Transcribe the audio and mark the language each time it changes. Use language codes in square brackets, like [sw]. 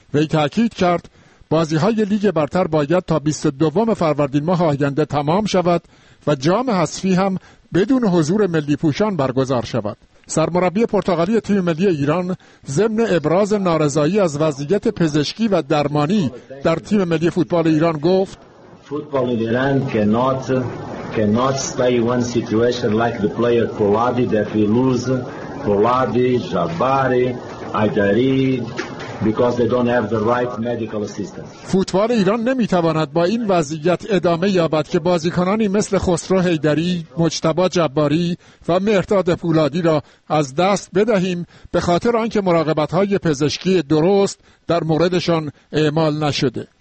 [fa] وی تاکید کرد بازی‌های لیگ برتر باید تا 22 فروردین ماه آینده تمام شود و جام حذفی هم بدون حضور ملی پوشان برگزار شود. سرمربی پرتغالی تیم ملی ایران ضمن ابراز نارضایتی از وضعیت پزشکی و درمانی در تیم ملی فوتبال ایران گفت: فوتبال ایران [en] cannot stay one situation like the player Poladi that we lose, Poladi, Jabari, Aidari, because they don't have the right medical assistance. [fa] فوتبال ایران نمیتواند با این وضعیت ادامه یابد که بازیکنانی مثل خسرو حیدری، مجتبی جباری و مهرداد پولادی را از دست بدهیم، به خاطر آنکه مراقبت‌های پزشکی درست در موردشان اعمال نشده.